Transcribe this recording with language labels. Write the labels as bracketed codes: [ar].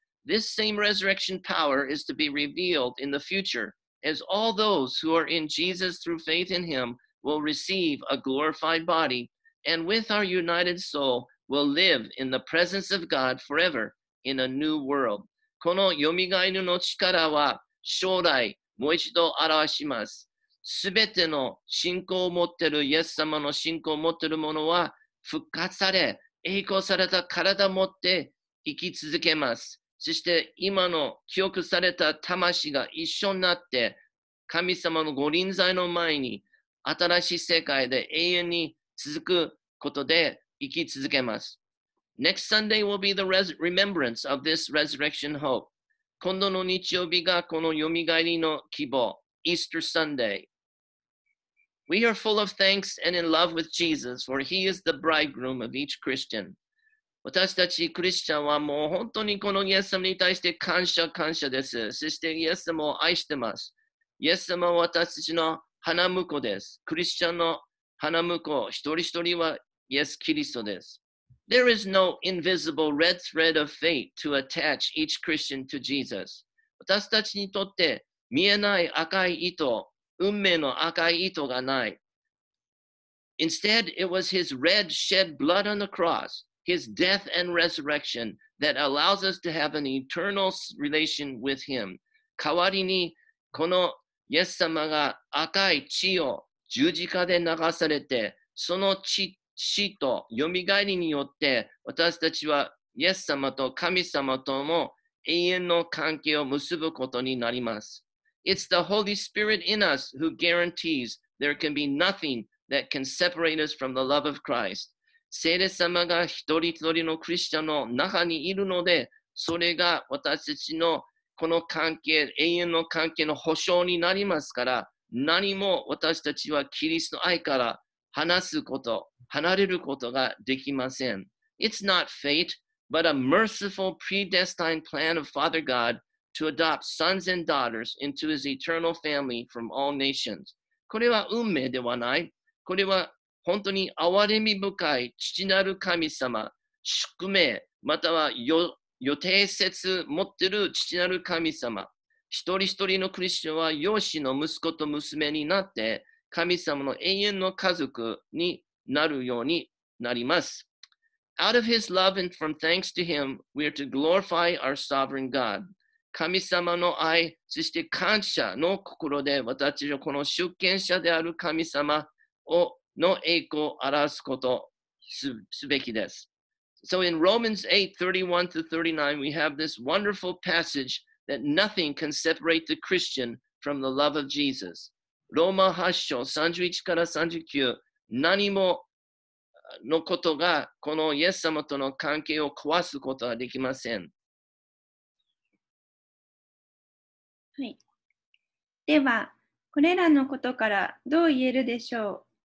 [en] This same resurrection power is to be revealed in the future as all those who are in Jesus through faith in himwill receive a glorified body, and with our united soul, will live in the presence of God forever in a new world. [ja] このよみがえりの力は将来もう一度表します。すべての信仰を持っているイエス様の信仰を持っている者は復活され、栄光された体を持って生き続けます。そして今の記憶された魂が一緒になって神様の御臨在の前に新しい世界で永遠に続くことで生き続けます。 [en] Next Sunday will be the remembrance of this resurrection hope. [ja] 今度の日曜日がこのよみがえりの希望、 [en] Easter Sunday. We are full of thanks and in love with Jesus, for he is the bridegroom of each Christian. [ja] 私たちクリスチャンはもう本当にこのイエス様に対して感謝感謝です。そしてイエス様を愛してます。イエス様は私たちの花婿です。クリスチャンの花婿、一人一人はイエス・キリストです。 [en] There is no invisible red thread of fate to attach each Christian to Jesus. [ja] 私たちにとって見えない赤い糸、運命の赤い糸がない。 [en] Instead, it was his red shed blood on the cross, his death and resurrection that allows us to have an eternal relation with him. [ja] 代わりにこのイエス様が赤い血を十字架で流されて、その血とよみがえりによって、私たちはイエス様と神様とも永遠の関係を結ぶことになります。 [en] It's the Holy Spirit in us who guarantees there can be nothing that can separate us from the love of Christ. [ja] 聖霊様が一人一人のクリスチャンの中にいるので、それが私たちのこの関係、永遠の関係の保証になりますから、何も私たちはキリストの愛から離すこと、離れることができません。 [en] It's not fate, but a merciful predestined plan of Father God to adopt sons and daughters into his eternal family from all nations. [ja] これは運命ではない。これは本当に憐れみ深い父なる神様、宿命、または予定説持ってる父なる神様。一人一人のクリスチャンは養子の息子と娘になって、神様の永遠の家族になるようになります。 [en] Out of his love and from thanks to him, we are to glorify our sovereign God. [ja] 神様の愛、そして感謝の心で、私たちはこの主権者である神様をの栄光を表すことすべきです。 [en] So in Romans 8:31-39, we have this wonderful passage that nothing can separate the Christian from the love of Jesus. [ja] ローマ8章31から39、何ものことがこのイエス様との関係を壊すことはできません。はい、では、これらのことからどう言えるでしょう。